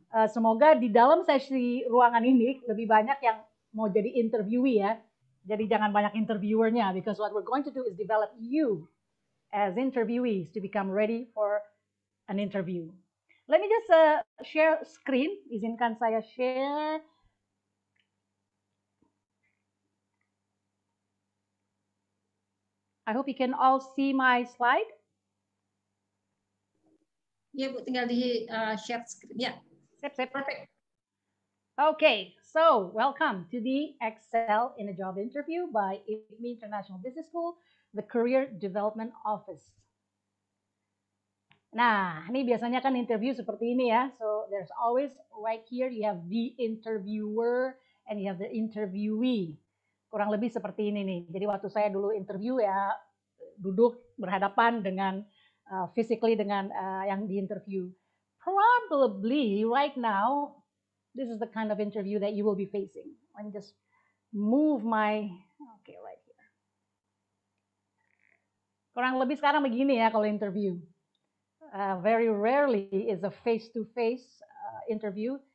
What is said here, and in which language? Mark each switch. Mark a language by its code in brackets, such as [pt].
[id] Semoga di dalam sesi ruangan ini lebih banyak yang mau jadi interviewee ya. Jadi jangan banyak interviewernya, [en] because what we're going to do is develop you as interviewees to become ready for an interview. Let me just share screen. [id] Izinkan saya share. [en] I hope you can all see my slide. [id] Ya, Bu, tinggal di share screen. Ya. [en] Sip. Perfect. Okay. So, welcome to the Excel in a Job interview by IPMI International Business School, the Career Development Office. [id] Nah, ini biasanya kan interview seperti ini ya. [en] So, there's always right here you have the interviewer and you have the interviewee. [id] Kurang lebih seperti ini nih. Jadi waktu saya dulu interview ya, duduk berhadapan dengan physically dengan yang diinterview. [en] Probably right now this is the kind of interview that you will be facing. Let me just move my, okay, right here. [id] Kurang lebih sekarang begini ya kalau interview. [en] Very rarely is a face-to-face interview.